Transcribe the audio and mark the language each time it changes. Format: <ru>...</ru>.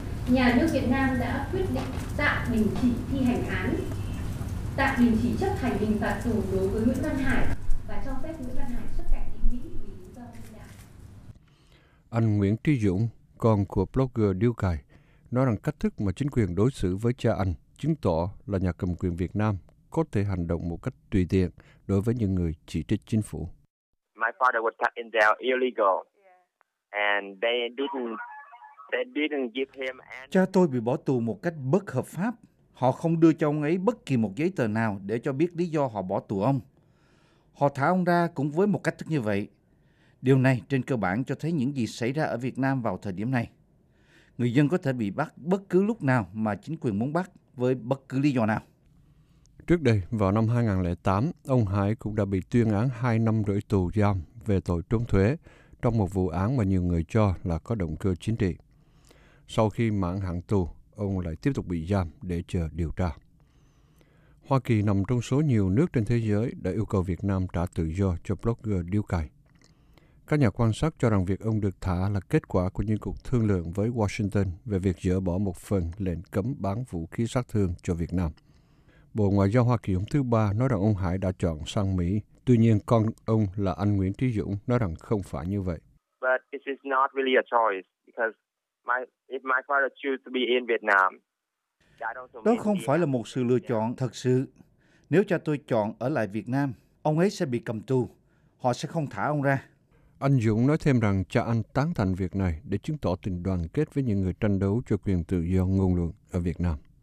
<vi>Nhà nước Việt Nam đã quyết định tạm đình chỉ thi hành án, tạm đình chỉ chấp hành hình phạt tù đối với Nguyễn Văn Hải và cho phép Nguyễn Văn Hải xuất cảnh đến Mỹ vì lý do nhân đạo. Anh Nguyễn Trí Dũng, con của blogger Điêu Cày, nói rằng cách thức mà chính quyền đối xử với cha anh chứng tỏ là nhà cầm quyền Việt Nam có thể hành động một cách tùy tiện đối với những người chỉ trích chính phủ.</vi> <en>My father was cut in there illegal, and they didn't give him any.</en> <vi>Cha tôi bị bỏ tù một cách bất hợp pháp. Họ không đưa cho ông ấy bất kỳ một giấy tờ nào để cho biết lý do họ bỏ tù ông. Họ thả ông ra cũng với một cách thức như vậy. Điều này trên cơ bản cho thấy những gì xảy ra ở Việt Nam vào thời điểm này. Người dân có thể bị bắt bất cứ lúc nào mà chính quyền muốn bắt với bất cứ lý do nào. Trước đây, vào năm 2008, ông Hải cũng đã bị tuyên án 2 năm rưỡi tù giam về tội trốn thuế trong một vụ án mà nhiều người cho là có động cơ chính trị. Sau khi mãn hạn tù, ông lại tiếp tục bị giam để chờ điều tra. Hoa Kỳ nằm trong số nhiều nước trên thế giới đã yêu cầu Việt Nam trả tự do cho blogger Điêu Cày. Các nhà quan sát cho rằng việc ông được thả là kết quả của những cuộc thương lượng với Washington về việc dỡ bỏ một phần lệnh cấm bán vũ khí sát thương cho Việt Nam. Bộ Ngoại giao Hoa Kỳ hôm thứ Ba nói rằng ông Hải đã chọn sang Mỹ. Tuy nhiên, con ông là anh Nguyễn Trí Dũng nói rằng không phải như vậy.</vi> <en>But this is not really a choice because if my father chose to be in Vietnam,</en> <vi>đó không phải là một sự lựa chọn thật sự. Nếu cha tôi chọn ở lại Việt Nam, ông ấy sẽ bị cầm tù. Họ sẽ không thả ông ra. Anh Dũng nói thêm rằng cha anh tán thành việc này để chứng tỏ tình đoàn kết với những người tranh đấu cho quyền tự do ngôn luận ở Việt Nam.</vi>